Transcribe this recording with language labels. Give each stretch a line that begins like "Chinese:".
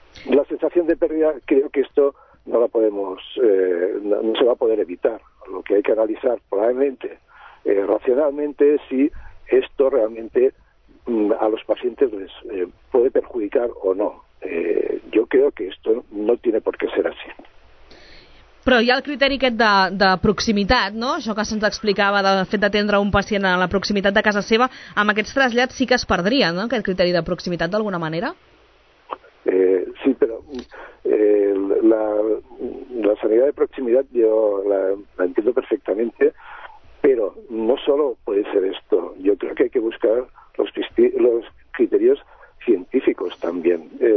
Spanish: La sensación de pérdida, creo que esto no se va a poder evitar. Lo que hay que analizar probablemente, racionalmente, es si esto realmente a los pacientes les puede perjudicar o no.
Catalan: Jo crec que
Spanish: esto no tiene por qué ser así.
Catalan: Però hi ha el criteri aquest de proximitat, no? Això que se'ns explicava del fet d'atendre un pacient a la proximitat de casa seva, amb aquests trasllats sí que es perdria, no? Aquest criteri de proximitat d'alguna manera? Sí, però la sanitat de proximitat
Spanish: jo la entiendo perfectamente, però no solo puede ser esto. Yo creo que hay que buscar los criterios científicos también.